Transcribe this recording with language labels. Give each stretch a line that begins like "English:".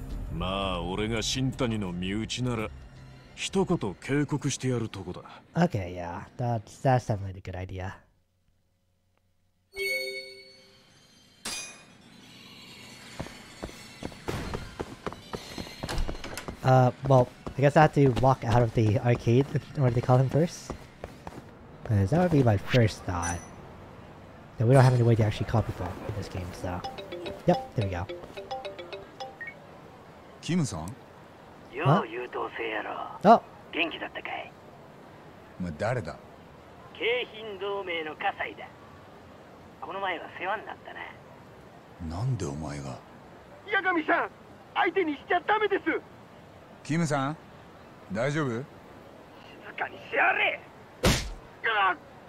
Japanese: それを無罪にした連中も十分的に。そうじゃねえか?じゃあ俺も狙われんの?え?お前より、シンタニって奴の方が危ねえ。法廷で弁護してたのはあいつだろ。ああ。仇が極道に狙われたらひとたまりもねえぞ。まあ俺がシンタニの身内なら、一言警告してやるとこだ。
English: Okay, yeah, that's definitely a good idea. Well, I guess I have to walk out of the arcade, or they call him first. Because that would be my first thought. That we don't have any way to actually call people in this game, so. Yep, there we go. Kim-san?
Japanese: よう、優等生やろ。元気だったかい?誰だ?景品同盟の葛西だ。この前は世話になったな。なんでお前が?ヤガミさん!相手にしちゃダメです!キムさん?大丈夫?静かにしやれ!